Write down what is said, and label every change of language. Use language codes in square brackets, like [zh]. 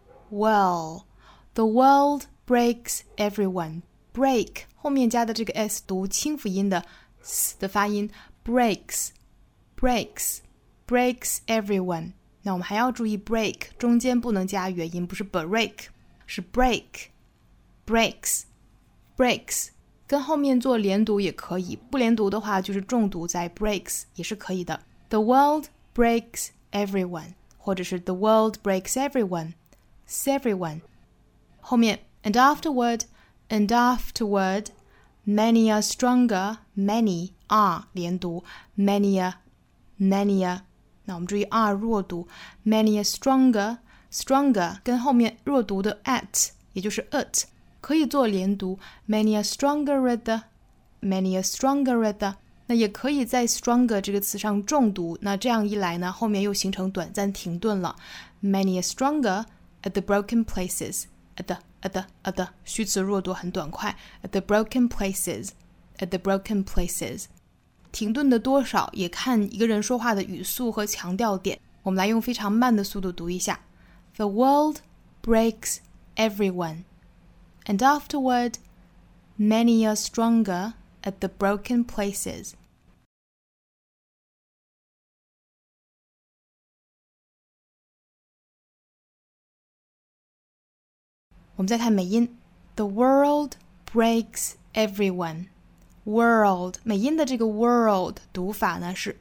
[en] well The world breaks everyone， [zh] break 后面加的这个 s 读清辅音的 s 的发音 breaks everyone， 那我们还要注意 break 中间不能加元音，不是 break 是 breaks跟后面做连读也可以，不连读的话就是重读在 breaks 也是可以的。 [en] The world breaks everyone， [zh] 或者是 [en] The world breaks everyone， everyone。 [zh] 后面 [en] and afterward, many are stronger， many are [zh] 连读 [en] many are。 [zh] 那我们注意 are 弱读 ， [en] many are stronger [zh] 跟后面弱读的 at， 也就是 it。可以做连读 [en] many are stronger at the [zh] 那也可以在 stronger 这个词上重读，那这样一来呢后面又形成短暂停顿了 [en] many are stronger at the broken places [zh] at the 虚词弱读很短快 [en] at the broken places [zh] 停顿的多少也看一个人说话的语速和强调点，我们来用非常慢的速度读一下 [en] The world breaks everyoneAnd afterward, many are stronger at the broken places. We'll look at [zh] 美音 [en] The world breaks everyone. World, [zh] 美音的这个 world 读法呢是